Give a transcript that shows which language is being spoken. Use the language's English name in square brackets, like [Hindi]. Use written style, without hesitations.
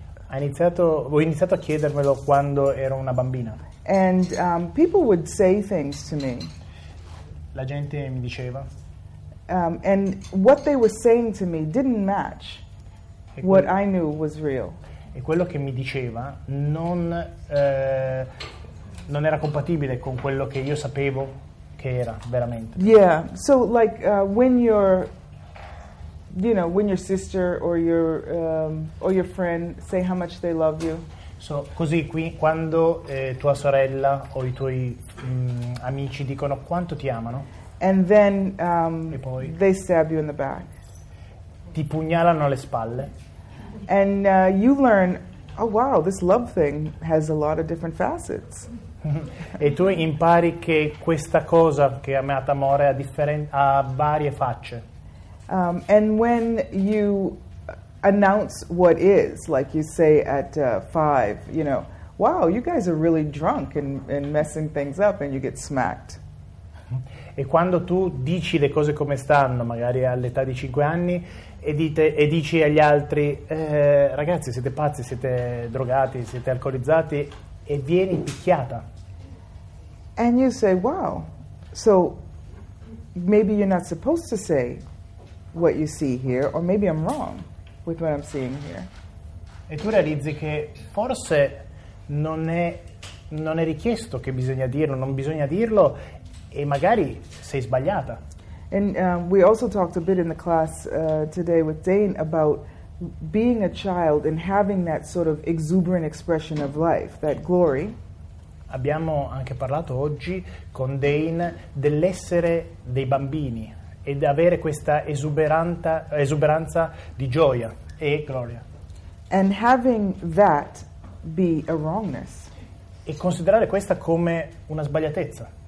[Italian] Ho iniziato a chiedermelo quando ero una bambina. [English] And people would say things to me. [Italian] La gente mi diceva. [English] And what they were saying to me didn't match. What I knew was real. [Italian] E quello che mi diceva non era compatibile con quello che io sapevo che era veramente. [English] Yeah, so like when your sister or your friend say how much they love you. [Italian] So così qui quando tua sorella o i tuoi amici dicono quanto ti amano. [English] And then [Italian] e poi [English] they stab you in the back. [Italian] Ti pugnalano alle spalle. [English] And you learn, oh wow, this love thing has a lot of different facets. [Italian] E tu impari che questa cosa che è amata amore ha varie facce. [English] And when you announce what is, like you say at five, you know, wow, you guys are really drunk and messing things up, and you get smacked. [Italian] E quando tu dici le cose come stanno, magari all'età di 5 anni. E dici agli altri, ragazzi, siete pazzi, siete drogati, siete alcolizzati, e vieni picchiata. [English] And you say, wow, so maybe you're not supposed to say what you see here, or maybe I'm wrong with what I'm seeing here. [Italian] e tu realizzi che forse non è richiesto che bisogna dirlo, non bisogna dirlo, e magari sei sbagliata. [English] And we also talked a bit in the class today with Dane about being a child and having that sort of exuberant expression of life, that glory. [Italian] Abbiamo anche parlato oggi con Dane dell'essere dei bambini e di avere questa esuberanza di gioia e gloria. [English] And having that be a wrongness. [Italian] E considerare questa come una sbagliatezza.